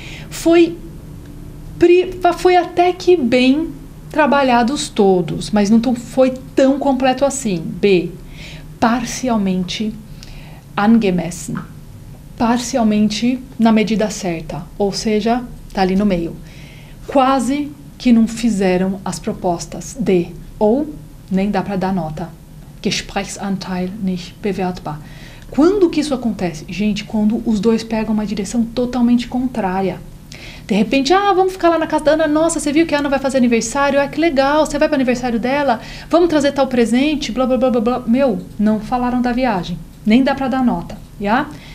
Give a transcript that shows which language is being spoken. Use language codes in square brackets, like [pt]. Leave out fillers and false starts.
[pt] Foi até que bem trabalhados todos, mas não foi tão completo assim. B. Parcialmente angemessen. Parcialmente na medida certa. Ou seja, tá ali no meio. Quase que não fizeram as propostas. D. Ou nem dá para dar nota. [de] Gesprächsanteil nicht bewertbar. [pt] Quando que isso acontece? Gente, quando os dois pegam uma direção totalmente contrária. De repente, ah, vamos ficar lá na casa da Ana. Nossa, você viu que a Ana vai fazer aniversário? Ah, que legal, você vai para o aniversário dela? Vamos trazer tal presente? Blá, blá, blá, blá, blá. Meu, não falaram da viagem. Nem dá para dar nota. Já?